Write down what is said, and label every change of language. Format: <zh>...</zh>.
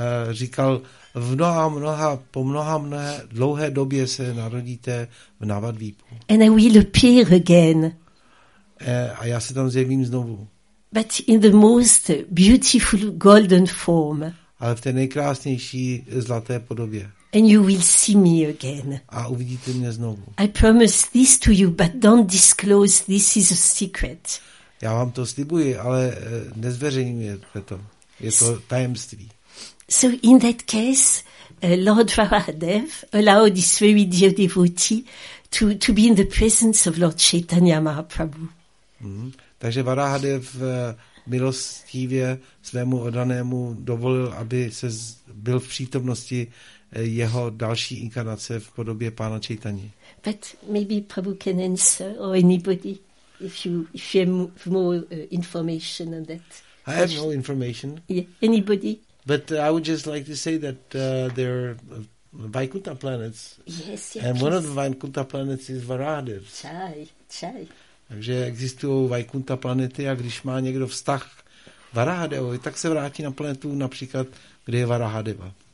<cs>Říkal, po mnoha dlouhé době se narodíte v Navadvipu.</cs> <en>And I will appear again.</en> <cs>A já se tam zjevím znovu.</cs> <en>But in the most beautiful golden form.</en> <cs>A ale v té nejkrásnější zlaté podobě.</cs> <en>And you will see me again.</en> <cs>A uvidíte mě znovu.</cs> <en>I promise this to you, but don't disclose, this is a secret.</en> <cs>Já vám to slibuji, ale nezveřejňujete to. Je to tajemství.</cs> <en>So in that case, Lord Varahadev allowed his very dear devotee to be in the presence of Lord Chaitanya Mahaprabhu.</en> <cs>Takže Varahadev milostivě svému oddanému dovolil, aby se byl v přítomnosti jeho další inkarnace v podobě pána Chaitany.</cs> <en>But maybe Prabhu can answer, or anybody, if you have more information on that. I have no information. Yeah, anybody? But I would just like to say that there are Vaikuntha planets. Yes, yes. And yes. One of the Vaikuntha planets is Varahadev. Chai.</en> <cs>Takže existují Vaikuntha planety, a když má někdo vztah Varahadevovi, tak se vrátí na planetu například, kde je Varahadeva.</cs>